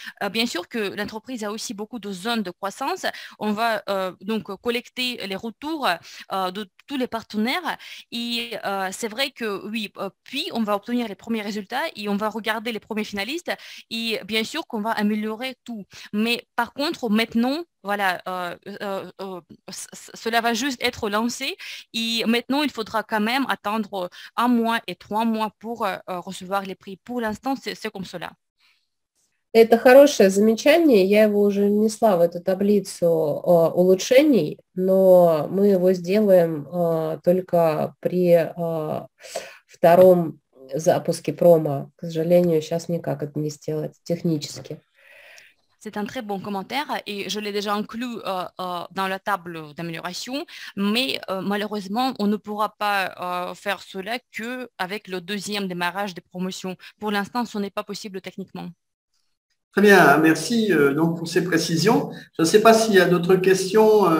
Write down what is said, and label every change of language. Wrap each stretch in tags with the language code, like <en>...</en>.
<fr>Bien sûr que l'entreprise a aussi beaucoup de zones de croissance. On va donc collecter les retours de tous les partenaires et c'est vrai que oui, puis on va obtenir les premiers résultats et on va regarder les premiers finalistes et bien sûr qu'on va améliorer tout. Mais par contre, maintenant, voilà, cela va juste être lancé et maintenant, il faudra quand même attendre un mois et trois mois pour recevoir les prix. Pour l'instant, c'est comme cela.</fr> <ru>Это хорошее замечание, я его уже внесла в эту таблицу улучшений, но мы его сделаем только при втором запуске промо. К сожалению, сейчас никак это не сделать технически.</ru> <fr>C'est un très bon commentaire et je l'ai déjà inclus dans la table d'amélioration, mais malheureusement, on ne pourra pas faire cela qu'avec le deuxième démarrage des promotions. Pour l'instant, ce n'est pas possible techniquement. Très bien, merci donc pour ces précisions. Je ne sais pas s'il y a d'autres questions.</fr>